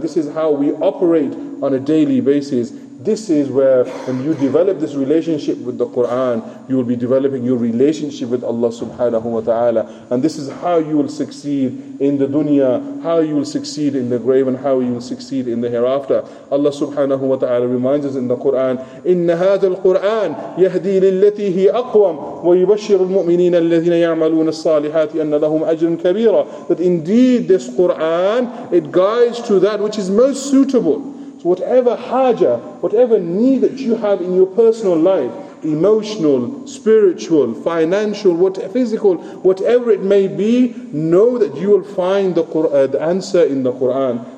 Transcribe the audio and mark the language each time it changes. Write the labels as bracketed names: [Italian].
[English] This is how we operate on a daily basis. This is where, when you develop this relationship with the Quran, you will be developing your relationship with Allah subhanahu wa ta'ala. And this is how you will succeed in the dunya, how you will succeed in the grave, and how you will succeed in the hereafter. Allah subhanahu wa ta'ala reminds us in the Quran, [Arabic] إِنَّ هَذَا الْقُرْآنِ يَهْدِي لِلَّتِي هِيَ أَقْوَمْ وَيُبَشِّرُ الْمُؤْمِنِينَ الَّذِينَ يَعْمَلُونَ الصَّالِحَاتِ أَنَّ لَهُمْ أَجْرٍ كَبِيرًا. [English] That indeed this Quran, it guides to that which is most suitable. Whatever haja, whatever need that you have in your personal life, emotional, spiritual, financial, physical, whatever it may be, know that you will find the answer in the Quran.